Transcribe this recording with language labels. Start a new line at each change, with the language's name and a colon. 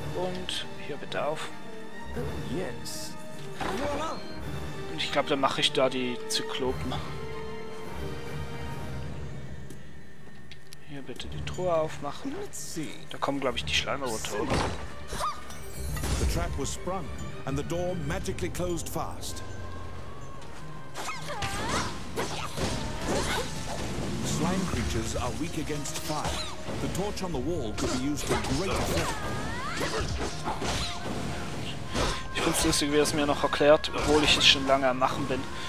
German: Und hier bitte auf.
English: Yes.
German: Und ich glaube, dann mache ich da die Zyklopen. Hier bitte die Truhe aufmachen. Da kommen, glaube ich, die Schleimerotoren.
English: The trap was sprung and the door magically closed fast. Slime creatures are weak against fire. The torch on the wall could be used for great effect.
German: Ich find's lustig, wie er es mir noch erklärt, obwohl ich es schon lange am Machen bin.